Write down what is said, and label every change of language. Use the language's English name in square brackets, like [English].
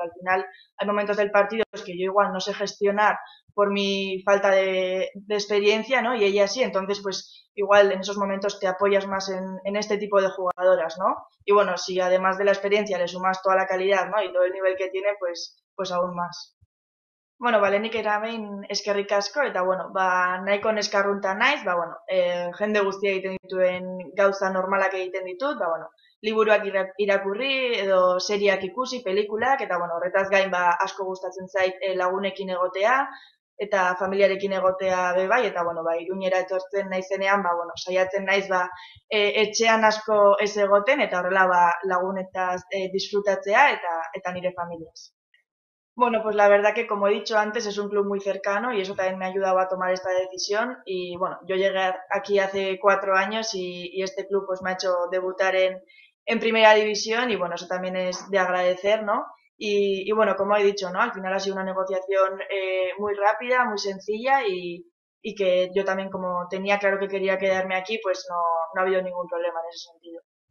[Spanish] Al final hay momentos del partido pues, que yo igual no sé gestionar por mi falta de experiencia, ¿no? Y ella sí, entonces pues igual en esos momentos te apoyas más en este tipo de jugadoras, ¿no? Y bueno, si además de la experiencia le sumas toda la calidad, ¿no? Y todo el nivel que tiene, pues aún más. [Basque] Bueno, vale, nik erabein eskerrik asko, eta bueno, ba, nahiko neskarrunta naiz, ba, bueno, jende guztia egiten dituen gauza normalak egiten ditut, ba, bueno, liburuak irakurri, edo serieak ikusi, pelikulak, eta bueno, horretaz gain, ba, asko gustatzen zait lagunekin egotea, eta familiarekin egotea be bai, eta bueno, ba, Iruñera etortzen naizenean, ba, bueno, saiatzen naiz, ba, etxean asko ez egoten, eta horrela, ba, lagunetaz disfrutatzea, eta nire familiaz. [Spanish] Bueno, pues la verdad que como he dicho antes, es un club muy cercano y eso también me ha ayudado a tomar esta decisión. Y bueno, yo llegué aquí hace 4 años y este club pues me ha hecho debutar en primera división y bueno, eso también es de agradecer, ¿no? Y bueno, como he dicho, ¿no? Al final ha sido una negociación muy rápida, muy sencilla y que yo también como tenía claro que quería quedarme aquí, pues no ha habido ningún problema en ese sentido.